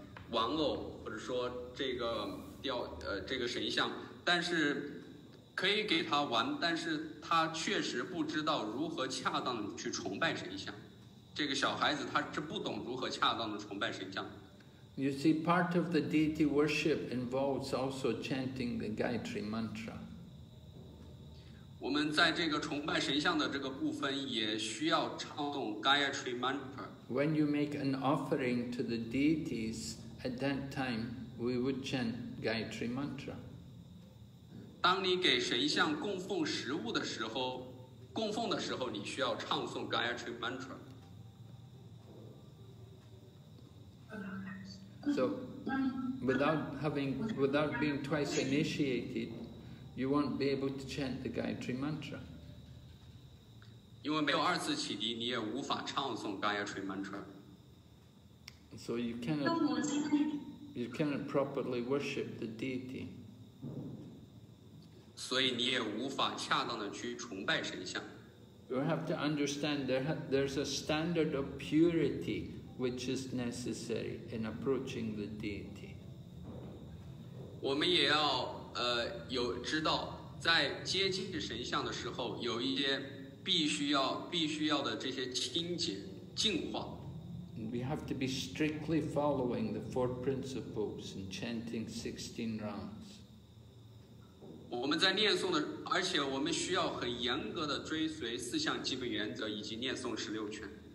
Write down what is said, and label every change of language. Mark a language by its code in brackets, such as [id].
[zh] 玩偶或者说这个神像，但是可以给他玩，但是他确实不知道如何恰当的去崇拜神像。这个小孩子他是不懂如何恰当的崇拜神像。 [en] You see, part of the deity worship involves also chanting the Gayatri Mantra. [zh] 我们在这个崇拜神像的这个部分也需要唱诵 Gayatri Mantra. [en] When you make an offering to the deities,At that time, we would chant Gayatri Mantra. [zh] 当你给神像供奉食物的时候，供奉的时候，你需要唱诵 Gayatri Mantra. [en] So, without being twice initiated, you won't be able to chant the Gayatri Mantra. [zh] 因为没有二次启迪，你也无法唱诵 Gayatri Mantra. [en] So you cannot properly worship the deity. [zh] 所以你也无法恰当的去崇拜神像。 [en] You have to understand there's a standard of purity which is necessary in approaching the deity. [zh] 我们也要有知道在接近神像的时候有一些必须要的这些清洁净化。 [en] We have to be strictly following the four principles and chanting 16 rounds. [zh] 我们在念诵的，而且我们需要很严格的追随四项基本原则以及念诵十六圈。